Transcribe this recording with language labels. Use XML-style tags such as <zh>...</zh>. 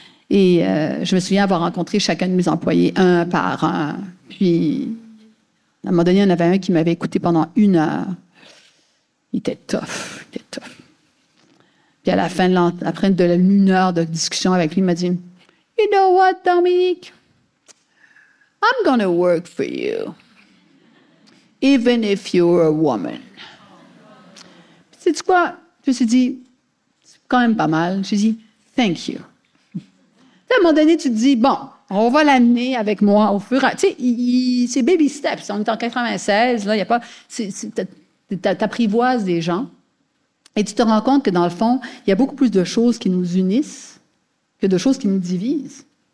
<fr>Et je me souviens avoir rencontré chacun de mes employés, un par un. Puis, à un moment donné, il y en avait un qui m'avait écouté pendant 1 heure. Il était tough. Puis à la fin de après de l'une heure de discussion avec lui, il m'a dit, «</fr> <en>You know what, Dominique? I'm gonna work for you, even if you're a woman. »</en> <fr>Sais-tu quoi? Je me suis dit, c'est quand même pas mal. Je lui ai dit, «</fr> <en>Thank you.</en> <fr>» À un moment donné, tu te dis, « Bon, on va l'amener avec moi au fur et à... » Tu sais, c'est</fr> <en>baby steps.</en> <fr>On est en 96, là, il n'y a pas... t'apprivoises des gens. Et tu te rends compte que, dans le fond, il y a beaucoup plus de choses qui nous unissent que de choses qui nous divisent.</fr>